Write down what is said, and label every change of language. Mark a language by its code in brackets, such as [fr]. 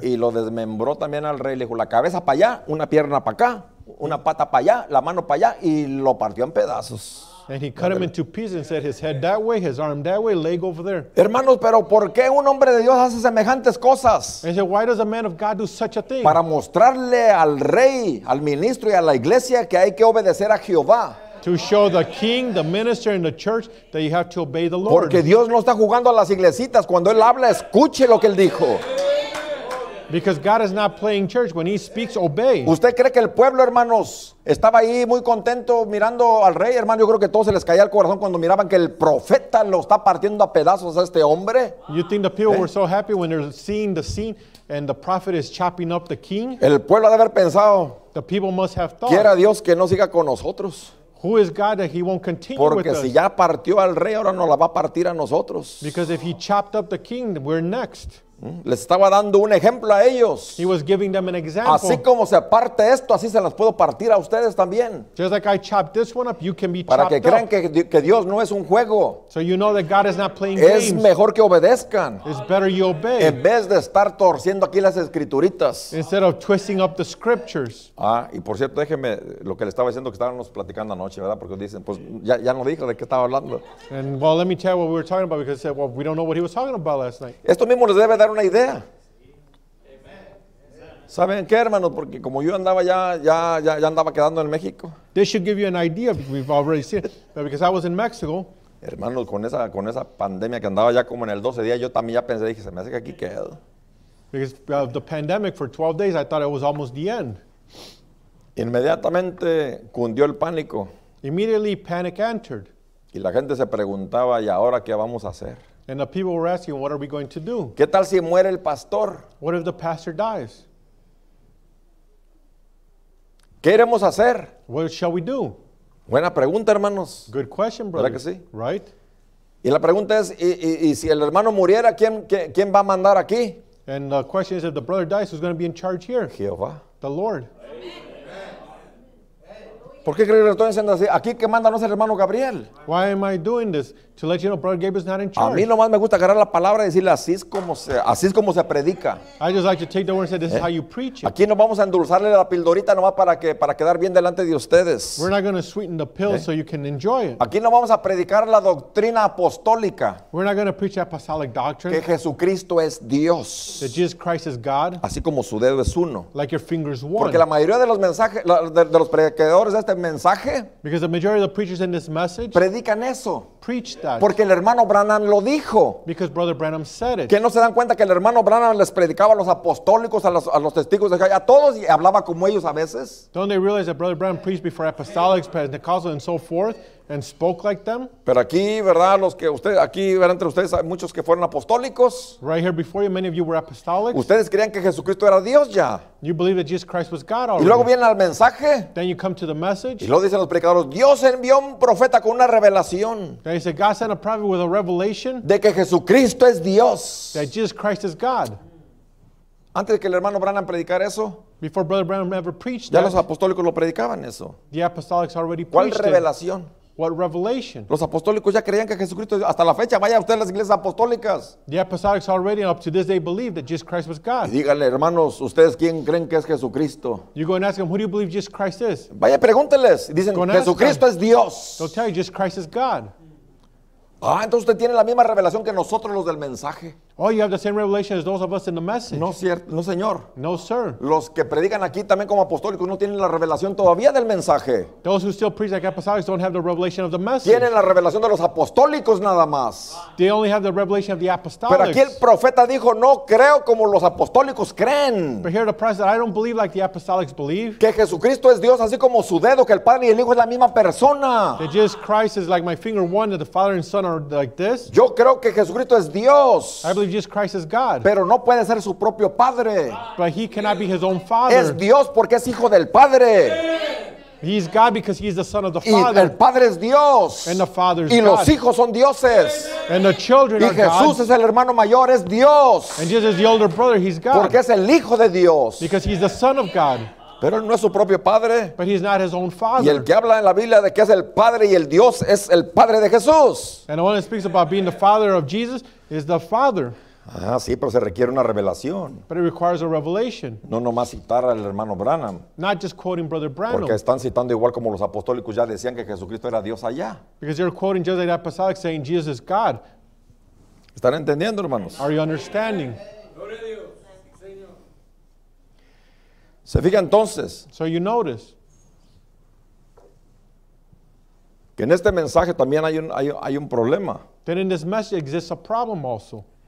[es] Y lo desmembró también al rey, le dijo, la cabeza para allá, una pierna para acá, una pata para allá, la mano para allá, y lo partió en pedazos. [en] And he cut him into pieces and said, his head that way, his arm that way, leg over there. [es] Hermanos, pero ¿por qué un hombre de Dios hace semejantes cosas? [en] And he said, why does a man of God do such a thing? [es] Para mostrarle al rey, al ministro y a la iglesia que hay que obedecer a Jehová. [en] To show the king, the minister, and the church that you have to obey the Lord. [es] Porque Dios no está jugando a las iglesitas. Cuando él habla, escuche lo que él dijo. [en] Because God is not playing church. When he speaks, obey. [es] ¿Usted cree que el pueblo, hermanos, estaba ahí muy contento mirando al rey, hermano? Yo creo que todos se les caía el corazón cuando miraban que el profeta lo está partiendo a pedazos a este hombre. [en] You think the people were so happy when they're seeing the scene and the prophet is chopping up the king? [es] El pueblo debe haber pensado. [en] The people must have thought. [es] Quiera Dios que no siga con nosotros. [en] Who is God that he won't continue [es] Porque [en] with [es] si [en] us? [es] Ya partió al rey, ahora nos la va a partir a nosotros. [en] Because if he chopped up the king, we're next. [es] Les estaba dando un ejemplo a ellos. [en] He was giving them an example. [es] Así como se parte esto, así se las puedo partir a ustedes también. [en] Just like I chopped this one up, you can be chopped up. [es] Para que crean que Dios no es un juego. [en] So you know that God is not playing games. [es] Es mejor que obedezcan. [en] It's better you obey. [es] En vez de estar torciendo aquí las escrituritas. [en] Instead of twisting up the scriptures. [es] Ah, y por cierto, déjeme lo que le estaba diciendo que estábamos platicando anoche, ¿verdad? Porque dicen, pues ya no dijo de qué estaba hablando. [en] And well, let me tell you what we were talking about because they said, well, we don't know what he was talking about last night. [es] Esto mismo les debe dar una idea. ¿Saben qué, hermanos? Porque como yo andaba ya andaba quedando en México. [en] This should give you an idea, we've already seen it, but because I was in Mexico. [es] Hermanos, con esa pandemia que andaba ya como en el 12 día, yo también ya pensé, dije, se me hace que aquí quedo. [en] Because of the pandemic for 12 days, I thought it was almost the end. [es] Inmediatamente cundió el pánico. [en] Immediately panic entered. [es] Y la gente se preguntaba, ¿y ahora qué vamos a hacer? [en] And the people were asking, what are we going to do? [es] ¿Qué tal si muere el pastor? [en] What if the pastor dies? [es] ¿Qué iremos a hacer? [en] What shall we do? [es] Buena pregunta, hermanos. [en] Good question, brother. [es] ¿Verdad que sí? [en] Right? [es] Y la pregunta es, y si el hermano muriera, ¿quién va a mandar aquí? [en] And the question is, if the brother dies, who's going to be in charge here? [es] Jehová. [en] The Lord. [es] ¿Por qué crees que estoy haciendo así? Aquí que manda no es el hermano Gabriel. [en] Why am I doing this? To let you know, Brother Gabriel's not in charge. [es] A mí nomás me gusta agarrar la palabra y decirle así es como se predica. [en] I just like to take the word and say, this is how you preach it. [es] Aquí no vamos a endulzarle la pildorita nomás para quedar bien delante de ustedes. [en] We're not going to sweeten the pill so you can enjoy it. [es] Aquí no vamos a predicar la doctrina apostólica. [en] We're not going to preach apostolic doctrine. [es] Que Jesucristo es Dios. [en] That Jesus Christ is God. [es] Así como su dedo es uno. [en] Like your finger's one. [es] Porque la mayoría de los mensajes, de los predicadores de este mensaje. [en] Because the majority of the preachers in this message. [es] Predican eso. [en] Preach that. [es] Porque el hermano Branham lo dijo. [en] Because Brother Branham said it. [es] Que no se dan cuenta que el hermano Branham les predicaba a los apostólicos, a los testigos de Jehová, a todos y hablaba como ellos a veces. [en] Don't they realize that Brother Branham preached before apostolics, Pentecostals, and so forth, and spoke like them? [es] Pero aquí, verdad, los que ustedes aquí verán entre ustedes hay muchos que fueron apostólicos. [en] Right here before you, many of you were apostolics. [es] Ustedes creían que Jesucristo era Dios ya. [en] You believe that Jesus Christ was God already. [es] Y luego vienen al mensaje. [en] Then you come to the message. [es] Y luego dicen los predicadores, Dios envió un profeta con una revelación. [en] Then he said, God sent a prophet with a revelation. [es] De que Jesucristo es Dios. [en] That Jesus Christ is God. [es] Antes de que el hermano Branham predicara eso. [en] Before Brother Branham ever preached that. [es] Ya los apostólicos lo predicaban eso. [en] The apostolics already [es] ¿Cuál [en] preached [es] revelación? [en] It. What revelation? [es] Los apostólicos ya creían que Jesucristo hasta la fecha vaya usted a las iglesias apostólicas. [en] The apostolics already up to this day believe that Jesus Christ was God. [es] Y díganle, hermanos, ustedes quién creen que es Jesucristo. [en] You go and ask them, who do you believe Jesus Christ is? [es] Vaya, pregúnteles. Dicen, Jesucristo es Dios. [en] They'll tell you, Jesus Christ is God. [es] Ah, entonces usted tiene la misma revelación que nosotros los del mensaje. [en] Oh, you have the same revelation as those of us in the message. [es] No, cierto, no, señor. [en] No, sir. [es] Los que predican aquí también como apostólicos no tienen la revelación todavía del mensaje. [en] Those who still preach like apostolics don't have the revelation of the message. [es] Tienen la revelación de los apostólicos nada más. [en] They only have the revelation of the apostolics. [es] Pero aquí el profeta dijo, no creo como los apostólicos creen. [en] But here the prophet said, I don't believe like the apostolics believe. [es] Que Jesucristo es Dios así como su dedo, que el Padre y el Hijo es la misma persona. [en] That Jesus Christ is like my finger one, that the Father and Son are like this. [es] Yo creo que Jesucristo es Dios. [en] I believe Jesus Christ is God. [es] Pero no puede ser su propio padre. [en] But he cannot be his own father. [es] Es Dios porque es hijo del Padre. [en] He's God because he's the son of the Father. [es] Y el Padre es Dios. [en] And the Father is [es] y [en] God. [es] Y los hijos son dioses. [en] And the children [es] y [en] are [es] Jesús [en] God. [es] Es el hermano mayor, es Dios. [en] And Jesus is the older brother, he's God. [es] Porque es el hijo de Dios. [en] Because he's the son of God. [es] Pero él no es su propio padre. [en] But he's not his own father. [es] Y el que habla en la Biblia de que es el Padre y el Dios es el Padre de Jesús. [en] And the one that speaks about being the father of Jesus is the Father. [es] Ah, sí, pero se requiere una revelación. [en] But it requires a revelation. [es] No nomás citar al hermano Branham. [en] Not just quoting Brother Branham. [es] Porque están citando igual como los apostólicos ya decían que Jesucristo era Dios allá. [en] Because they're quoting just like the apostolics saying Jesus is God. [es] ¿Están entendiendo, hermanos? [en] Are you understanding? [es] Se fija entonces. [en] So you notice. [es] Que en este mensaje también hay un problema. [en] Then in this message exists a problem also.